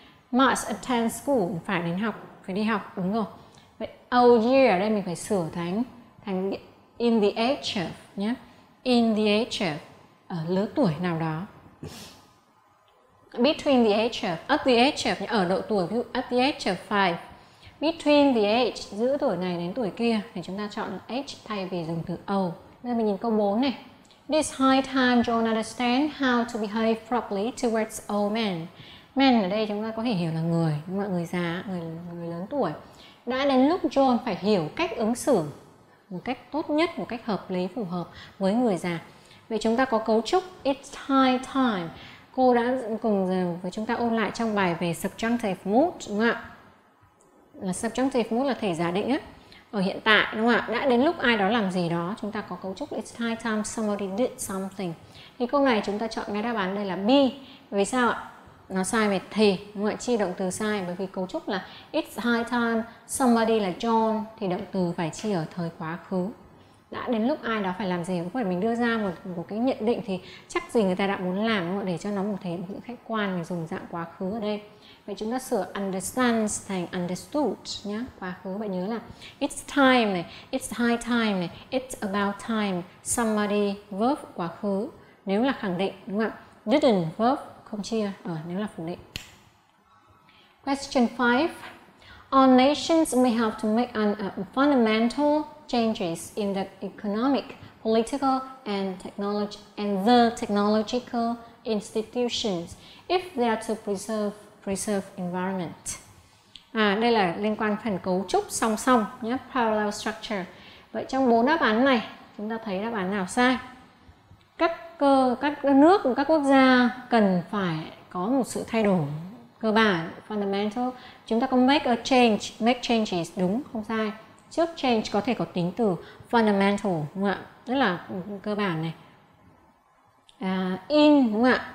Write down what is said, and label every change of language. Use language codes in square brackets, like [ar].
[vi] Must attend school, phải đến học, phải đi học, đúng rồi. Vậy old year ở đây mình phải sửa thành [en] in the age of [vi] nhé. In the age of, ở lứa tuổi nào đó. [en] Between the age of, at the age of, [vi] ở độ tuổi, ví dụ [en] at the age of 5. [vi] Between the age, giữa tuổi này đến tuổi kia, thì chúng ta chọn age thay vì dùng từ old. Đây mình nhìn câu 4 này. [en] This high time John understand how to behave properly towards old men. [vi] Men ở đây chúng ta có thể hiểu là người, đúng không? Người già, người lớn tuổi. Đã đến lúc John phải hiểu cách ứng xử một cách tốt nhất, một cách hợp lý, phù hợp với người già. Vậy chúng ta có cấu trúc [en] it's high time. [vi] Cô đã cùng với chúng ta ôn lại trong bài về subjunctive mood, đúng không ạ? Là subjunctive mood là thể giả định á, ở hiện tại, đúng không ạ? Đã đến lúc ai đó làm gì đó, chúng ta có cấu trúc [en] it's high time somebody did something. [vi] Thì câu này chúng ta chọn ngay đáp án đây là B. Vì sao ạ? Nó sai về thì, đúng không ạ? Chia động từ sai, bởi vì cấu trúc là [en] it's high time somebody [vi] là John, thì động từ phải chia ở thời quá khứ. Đã đến lúc ai đó phải làm gì, không phải mình đưa ra một cái nhận định thì chắc gì người ta đã muốn làm, đúng không ạ? Để cho nó một thế khách quan, mình dùng dạng quá khứ ở đây. Vậy chúng ta sửa understands thành understood nhé, quá khứ. Vậy nhớ là it's time này, [en] it's high time [vi] này, [en] it's about time, [vi] somebody, verb, quá khứ. Nếu là khẳng định, đúng không ạ? Didn't, verb, không chia, nếu là phủ định. [en] Question 5. All nations may have to make fundamental changes in the economic, political and technology and the technological institutions if they are to preserve environment. [vi] Đây là liên quan phần cấu trúc song song nhé, parallel structure. Vậy trong 4 đáp án này chúng ta thấy đáp án nào sai? Các nước, các quốc gia cần phải có một sự thay đổi cơ bản, fundamental. Chúng ta có make changes, đúng không sai. Trước change có thể có tính từ fundamental, đúng không ạ? Rất là cơ bản này. In, đúng không ạ?